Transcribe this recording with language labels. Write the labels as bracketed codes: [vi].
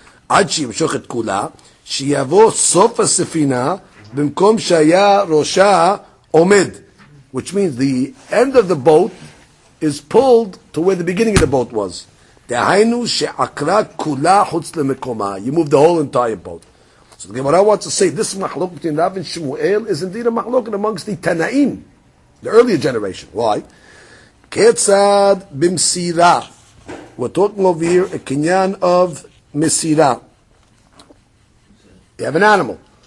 [he] עד שימשוך את כולה, שיבוא סוף הספינה במקום שהיה ראשה עומד. [en] Which means the end of the boat is pulled to where the beginning of the boat was. [he] דהיינו שעקרה כולה חוץ למקומה. [en] You move the whole entire boat. So the Gemara wants to say, this מחלוק between Rav and Shmuel is indeed a מחלוק amongst the Tanaim, the earlier generation. Why? [he] כיצד במסירה. [en] We're talking over here a kinyan of Mesira. You have an animal.